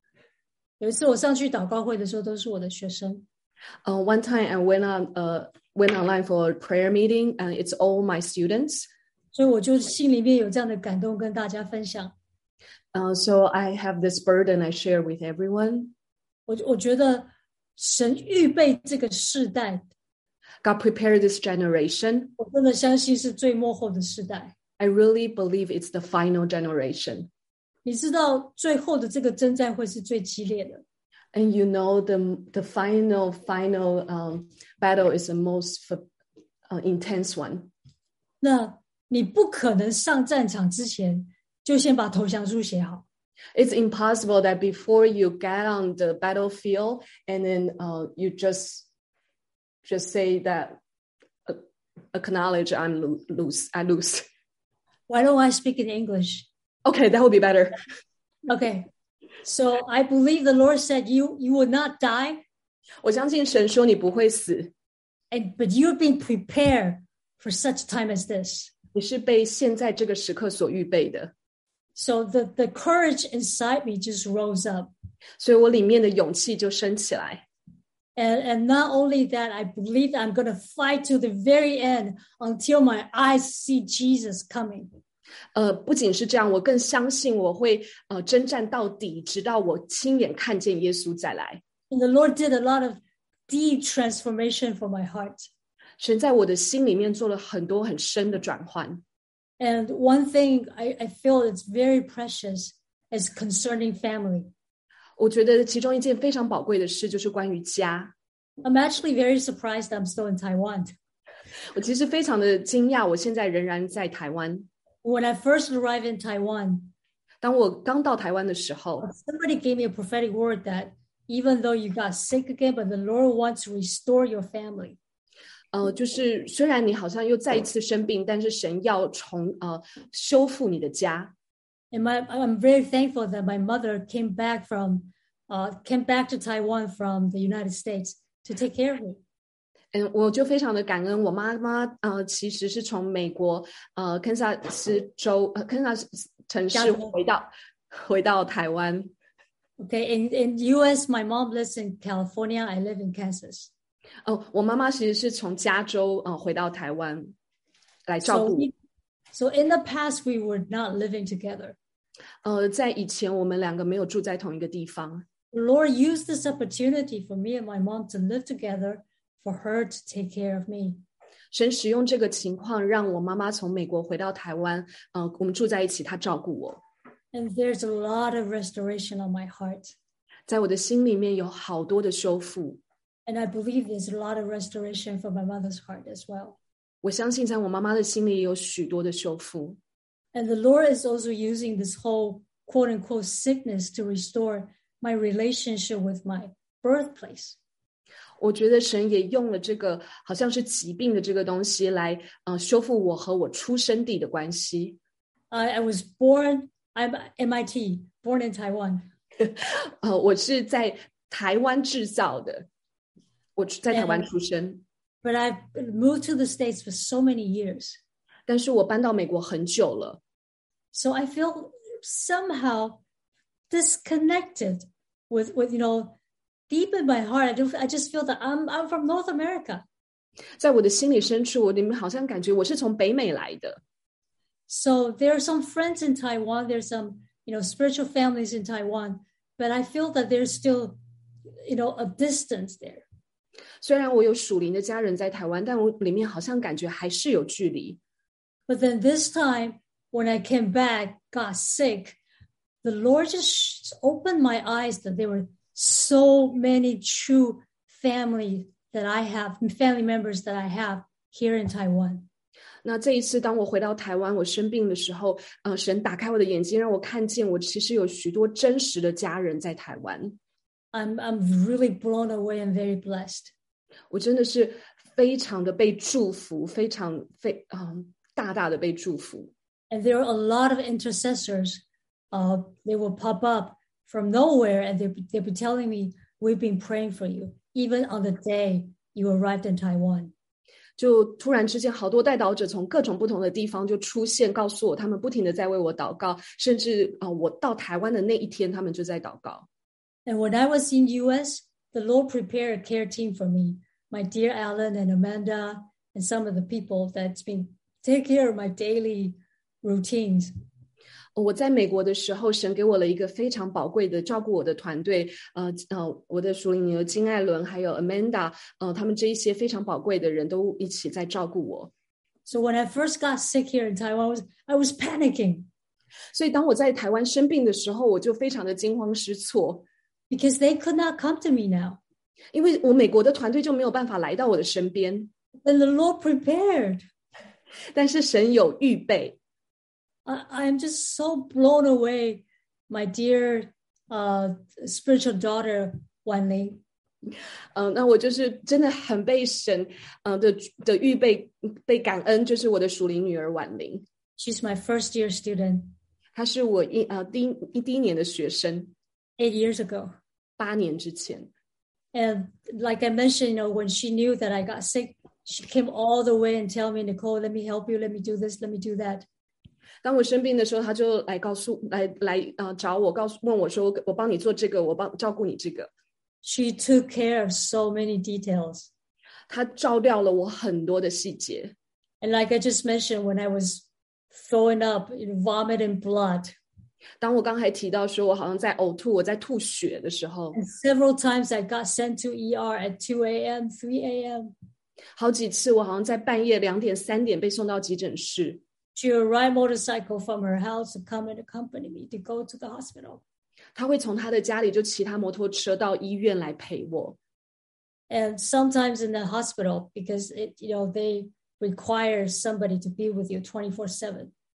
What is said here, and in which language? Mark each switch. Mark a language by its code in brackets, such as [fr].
[zh] 我记得有一次刚好我上去祷告会的时候，有一次我上去祷告会的时候都是我的学生。 [en] One time I went online for a prayer meeting and it's all my students. [zh] 所以我就心里面有这样的感动跟大家分享。 [en] So I have this burden I share with everyone. [zh] 我觉得神预备这个世代, [en] God prepared this generation. [zh] 我真的相信是最末后的世代。 [en] I really believe it's the final generation. [zh] 你知道最后的这个征战会是最激烈的。 [en] And you know the final battle is the most intense one. [zh] 那你不可能上战场之前就先把投降书写好。 [en] It's impossible that before you get on the battlefield and then you just say that acknowledge I'm lose. Why don't I speak in English? Okay, that would be better. Okay, so I believe the Lord said you will not die. [zh] 我相信神说你不会死。 [en] But you've been prepared for such time as this. [zh] 你是被现在这个时刻所预备的。 [en] So the courage inside me just rose up. [zh] 所以我里面的勇气就升起来。 [en] And not only that, I believe I'm going to fight to the very end until my eyes see Jesus coming. [zh] 不仅是这样，我更相信我会征战到底，直到我亲眼看见耶稣再来。 [en] And the Lord did a lot of deep transformation for my heart. [zh] 神在我的心里面做了很多很深的转换。 [en] And one thing I feel it's very precious is concerning family. [zh] 我觉得其中一件非常宝贵的事就是关于家。 [en] I'm actually very surprised I'm still in Taiwan. [zh] 我其实非常的惊讶，我现在仍然在台湾。 [en] When I first arrived in Taiwan, [zh] 当我刚到台湾的时候, [en] somebody gave me a prophetic word that even though you got sick again, but the Lord wants to restore your family. [zh] 就是虽然你好像又再一次生病, 但是神要重, 修复你的家。 [en] And I'm very thankful that my mother came back to Taiwan from the United States to take care of me. [zh] And 我就非常的感恩我妈妈其实是从美国堪萨斯州堪萨斯城市回到台湾。 [en] Okay, in US, my mom lives in California, I live in Kansas. [zh] 我妈妈其实是从加州回到台湾来照顾。 [en] So in the past, we were not living together. [zh] 在以前我们两个没有住在同一个地方。 [en] The Lord used this opportunity for me and my mom to live together. For her to take care of me. [zh] 神使用这个情况让我妈妈从美国回到台湾我们住在一起她照顾我。 [en] And there's a lot of restoration on my heart. [zh] 在我的心里面有好多的修复。 [en] And I believe there's a lot of restoration for my mother's heart as well. [zh] 我相信在我妈妈的心里有许多的修复。 [en] And the Lord is also using this whole quote-unquote sickness to restore my relationship with my birthplace. [zh] 我觉得神也用了这个好像是疾病的这个东西来修复我和我出生地的关系。 [en] I was born, I'm MIT, born in Taiwan. [zh] 我是在台湾制造的。我在台湾出生。 [en] But I've moved to the States for so many years. [zh] 但是我搬到美国很久了。 [en] So I feel somehow disconnected with, you know,Deep in my heart, I just feel that I'm from North America. [zh] 在我的心里深处，你们好像感觉我是从北美来的。 [en] So there are some friends in Taiwan, there's some, you know, spiritual families in Taiwan, but I feel that there's still, you know, a distance there. [zh] 虽然我有属灵的家人在台湾，但我里面好像感觉还是有距离。 [en] But then this time, when I came back, got sick, the Lord just opened my eyes that they were... So many true family that I have, family members that I have here in Taiwan. [zh] 那这一次当我回到台湾，我生病的时候，神打开我的眼睛，让我看见我其实有许多真实的家人在台湾。 [en] I'm really blown away and very blessed. [zh] 我真的是非常的被祝福，非常非大大的被祝福。 [en] And there are a lot of intercessors, they will pop up. From nowhere, and they'd be telling me, we've been praying for you, even on the day you arrived in Taiwan. [zh] 就突然之间好多代祷者从各种不同的地方就出现告诉我他们不停地在为我祷告甚至我到台湾的那一天他们就在祷告。 [en] And when I was in US, the Lord prepared a care team for me, my dear Alan and Amanda, and some of the people that's been taking care of my daily routines. [zh] 我在美国的时候神给我了一个非常宝贵的照顾我的团队我的属灵女儿金艾伦还有 Amanda 他们这一些非常宝贵的人都一起在照顾我。 [en] So when I first got sick here in Taiwan, I was panicking. [zh] 所以当我在台湾生病的时候，我就非常的惊慌失措。 [en] Because they could not come to me now. [zh] 因为我美国的团队就没有办法来到我的身边。 [en] And the Lord prepared. [zh] 但是神有预备。 [en] I'm just so blown away, my dear spiritual daughter, Wan Ling. [zh] 那我就是真的很被神的预备被感恩，就是我的属灵女儿婉玲。 [en] She's my first year student. [zh] 她是我第一年的学生。 [en] 8 years ago. [zh] 八年之前。 [en] And like I mentioned, you know, when she knew that I got sick, she came all the way and tell me, Nicole, let me help you, let me do this, let me do that. [zh] 当我生病的时候，她就来告诉找我，问我说，我帮你做这个，我帮照顾你这个。 [en] She took care of so many details. [zh] 她照料了我很多的细节。 [en] And like I just mentioned, when I was throwing up, in vomit and blood. [zh] 当我刚才提到说我好像在呕吐，我在吐血的时候。 [en] And several times I got sent to ER at 2 a.m., 3 a.m. [zh] 好几次我好像在半夜两点、三点被送到急诊室。 [en] She would ride motorcycle from her house to come and accompany me to go to the hospital. [zh] 她会从她的家里就骑她摩托车到医院来陪我。 [en] And sometimes in the hospital, because it, you know, they require somebody to be with you 24/7.